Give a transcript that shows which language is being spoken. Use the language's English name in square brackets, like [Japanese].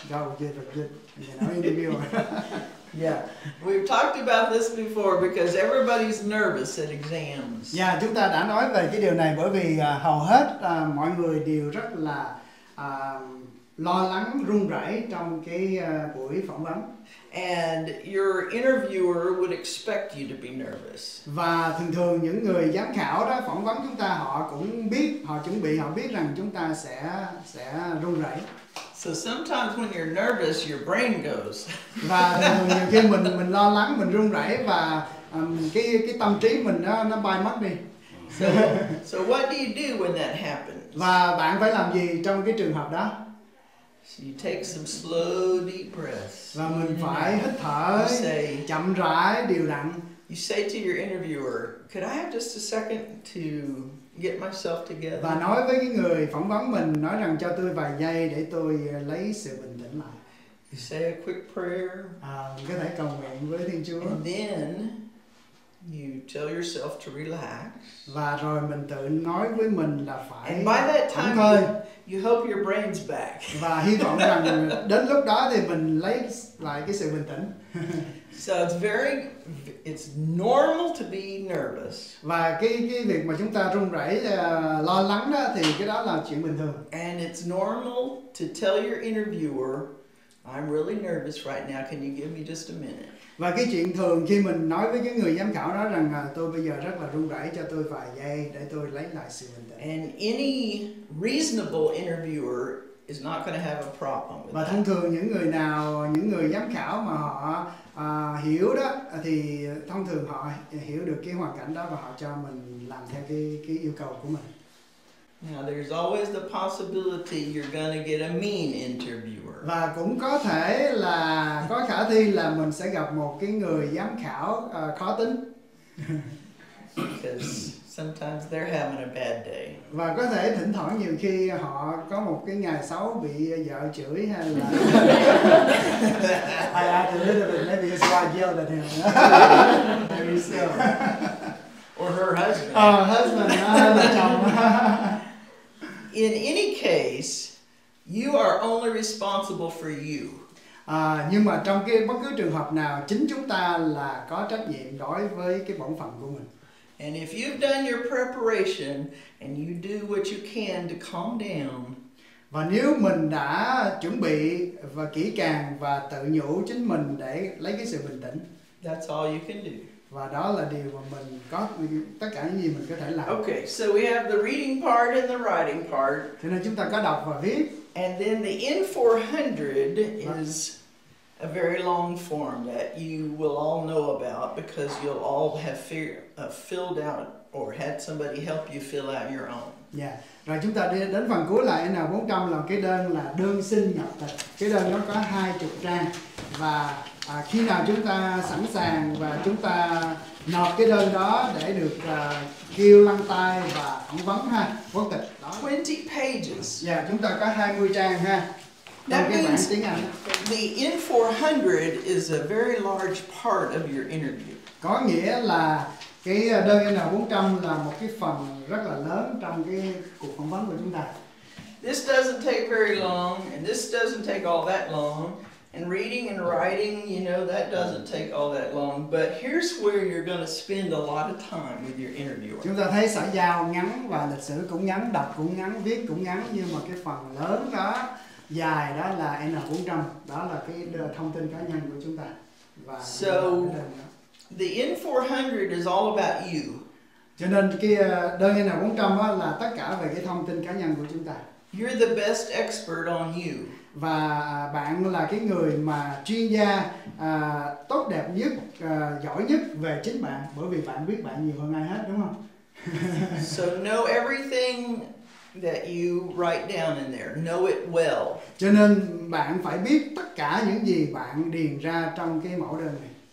[English] God will give a good, you know, interview. Yeah, we've talked about this before because everybody's nervous at exams. [Vietnamese] Yeah, chúng ta đã nói về cái điều này bởi vì hầu hết mọi người đều rất là lo lắng, run rẩy trong cái buổi phỏng vấn. [English] And your interviewer would expect you to be nervous. [Vietnamese] Và thường thường những người giám khảo đó phỏng vấn chúng ta, họ cũng biết, họ chuẩn bị, họ biết rằng chúng ta sẽ run rẩy. [English] So sometimes when you're nervous, your brain goes. [Vietnamese] Và thường nhiều khi mình lo lắng, mình run rẩy và cái tâm trí mình nó bay mất đi. [English] So what do you do when that happens? [Vietnamese] Và bạn phải làm gì trong cái trường hợp đó? [English] So you take some slow deep breaths. [Vietnamese] Và mình phải hít thở chậm rãi, đều đặn. [English] You say to your interviewer, could I have just a second to get myself together? [Vietnamese] Và nói với cái người phỏng vấn mình, nói rằng cho tôi vài giây để tôi lấy sự bình tĩnh lại. [English] You say a quick prayer. [Vietnamese] À, có thể cầu nguyện với Thiên Chúa. [English] And then you tell yourself to relax. [Vietnamese] Và rồi mình tự nói với mình là phải. [English] And by that time, [Vietnamese] thôi, [English] you hope your brain's back. [Vietnamese] Và hy vọng rằng đến lúc đó thì mình lấy lại cái sự bình tĩnh. [English] So it's normal to be nervous. [Vietnamese] Và cái việc mà chúng ta run rẩy lo lắng đó thì cái đó là chuyện bình thường. [English] And it's normal to tell your interviewer, I'm really nervous right now. Can you give me just a minute? [Vietnamese] Và cái chuyện thường khi mình nói với cái người giám khảo đó rằng tôi bây giờ rất là run rẩy, cho tôi vài giây để tôi lấy lại sự bình tĩnh. [English] And any reasonable interviewer is not going to have a problem with that. [Vietnamese] Và thông thường những người nào, những người giám khảo mà họ hiểu đó thì thông thường họ hiểu được cái hoàn cảnh đó và họ cho mình làm theo cái yêu cầu của mình. [English] Now there's always the possibility you're going to get a mean interviewer. [Vietnamese] Và cũng có thể là có khả thi là mình sẽ gặp một cái người giám khảo khó tính. [English] Because sometimes they're having a bad day. [Vietnamese] Và có thể thỉnh thoảng nhiều khi họ có một cái ngày xấu, bị vợ chửi hay là [English] I had a little bit, maybe his wife yelled at him. Maybe so. Or her husband. [Vietnamese] Husband, hay là chồng. [English] In any case, you are only responsible for you. [Vietnamese] Nhưng mà trong cái bất cứ trường hợp nào, chính chúng ta là có trách nhiệm đối với cái bổn phận của mình. [English] And if you've done your preparation and you do what you can to calm down. [Vietnamese] Và nếu mình đã chuẩn bị và kỹ càng và tự nhủ chính mình để lấy cái sự bình tĩnh. [English] That's all you can do. [Vietnamese] Và đó là điều mà mình có, tất cả những gì mình có thể làm. [English] Okay, so we have the reading part and the writing part. [Vietnamese] Thế nên chúng ta có đọc và viết. [English] And then the N400 is a very long form that you will all know about because you'll all have filled out or had somebody help you fill out your own. Yeah. [Vietnamese] Rồi chúng ta đi đến phần cuối lại, N400 là cái đơn là đơn xin nhập tịch. Cái đơn nó có 20 trang và khi nào chúng ta sẵn sàng và chúng ta nộp cái đơn đó để được kêu lăn tay và phỏng vấn ha, quốc tịch đó. [English] 20 pages. [Vietnamese] Yeah, chúng ta có 20 trang ha. [English] That means the N400 is a very large part of your interview. [Vietnamese] Có nghĩa là cái đơn N400 là một cái phần rất là lớn trong cái cuộc phỏng vấn của chúng ta. [English] This doesn't take very long, and this doesn't take all that long. And reading and writing, you know, that doesn't take all that long. But here's where you're going to spend a lot of time with your interviewer. [Vietnamese] Chúng ta thấy sở giao ngắn và lịch sử cũng ngắn, đọc cũng ngắn, viết cũng ngắn, nhưng mà cái phần lớn đó, dài đó là N400, đó là cái thông tin cá nhân của chúng ta. Và [English] so, the N400 is all about you. [Vietnamese] Cho nên cái đơn N400 đó là tất cả về cái thông tin cá nhân của chúng ta. [English] You're the best expert on you. [Vietnamese] Và bạn là cái người mà chuyên gia tốt đẹp nhất, giỏi nhất về chính bạn, bởi vì bạn biết bạn nhiều hơn ai hết, đúng không? [English] So know everything that you write down in there. Know it well. [Vietnamese] Cho nên bạn phải biết tất cả những gì bạn điền ra trong cái mẫu đơn này.